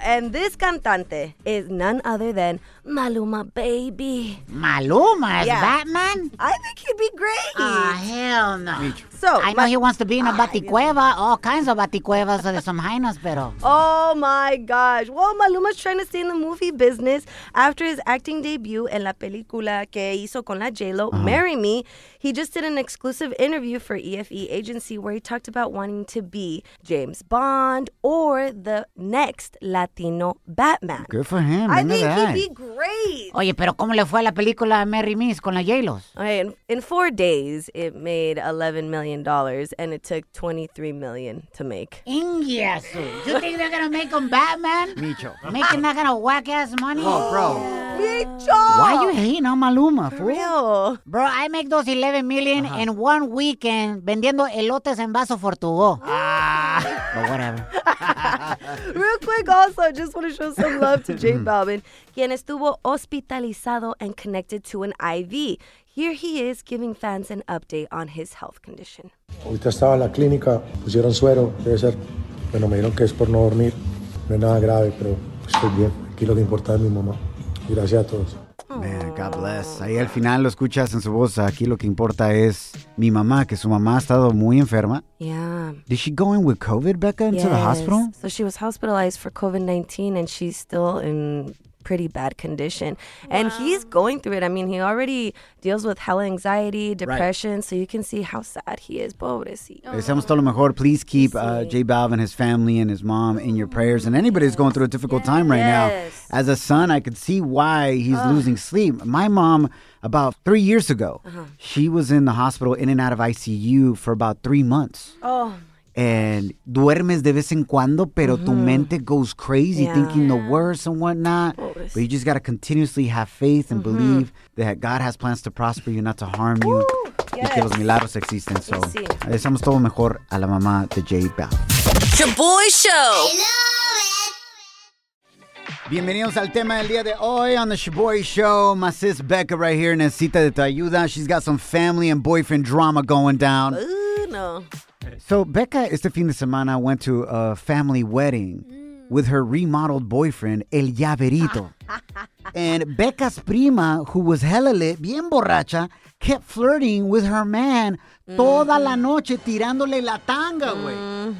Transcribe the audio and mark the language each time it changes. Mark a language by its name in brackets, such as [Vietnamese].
[English] And this cantante is none other than Maluma, baby. Maluma is yeah. Batman? I think he'd be great. Oh, hell no. Micho. So, I know he wants to be in a baticueva, all kinds of baticuevas de some jainas, [Spanish] pero... [English] Oh, my gosh. Well, Maluma's trying to stay in the movie business. After his acting debut [Spanish] en la película que hizo con la J-Lo, [English] uh-huh. Marry Me, he just did an exclusive interview for EFE Agency where he talked about wanting to be James Bond or the next Latino Batman. Good for him. I think that. He'd be great. [Spanish] Oye, pero ¿cómo le fue a la película Marry Me con la J-Lo? [English] Okay, in 4 days, it made $11 million and it took $23 million to make. Yes. You think they're going to make him Batman? Micho. Making that kind of whack-ass money? Oh, bro. Yeah. Micho! Why you hating on Maluma, for real? Bro, I make those $11 million uh-huh. in 1 weekend [Spanish] vendiendo elotes en vaso fortugo. [English] Ah. But whatever. Real quick, also, just want to show some love to Jay Balvin, [Spanish] quien estuvo hospitalizado [English] and connected to an IV. Here he is giving fans an update on his health condition. [Spanish] Ahorita estaba en la clínica, pusieron suero, debe ser. Bueno, me dijeron que es por no dormir. No es nada grave, pero estoy bien. Aquí lo que importa es mi mamá. Gracias a todos. [English] Man, God bless. [Spanish] Ahí al final lo escuchas en su voz. Aquí lo que importa es mi mamá, que su mamá ha estado muy enferma. [English] Yeah. Did she go in with COVID, Becca, into the hospital? So she was hospitalized for COVID-19 and she's still in pretty bad condition. Wow. And he's going through it. I mean, he already deals with hella anxiety, depression. Right. So you can see how sad he is. [Spanish] Pobrecito. Deseamos todo lo mejor. [English] Please keep J Balvin, his family, and his mom in your prayers. And anybody who's going through a difficult time right now. As a son, I could see why he's losing sleep. My mom, about 3 years ago, she was in the hospital in and out of ICU for about 3 months. Oh. [Spanish] And duermes de vez en cuando, pero tu mente [English] goes crazy thinking the worst and whatnot. But you just got to continuously have faith and believe that God has plans to prosper you, not to harm you. [Spanish] Y que los milagros existen. So, deseamos todo mejor a la mamá de J Balvin. [English] Your boy show. [Spanish] Bienvenidos al tema del día de hoy [English] on the Shaboy Show. My sis Becca right here [Spanish] necesita de tu ayuda. [English] She's got some family and boyfriend drama going down. No. So Becca, [Spanish] este fin de semana, [English] went to a family wedding with her remodeled boyfriend, El Llaverito. And Becca's prima, who was hella lit, [Spanish] bien borracha, [English] kept flirting with her man [Spanish] toda la noche, tirándole la tanga, güey.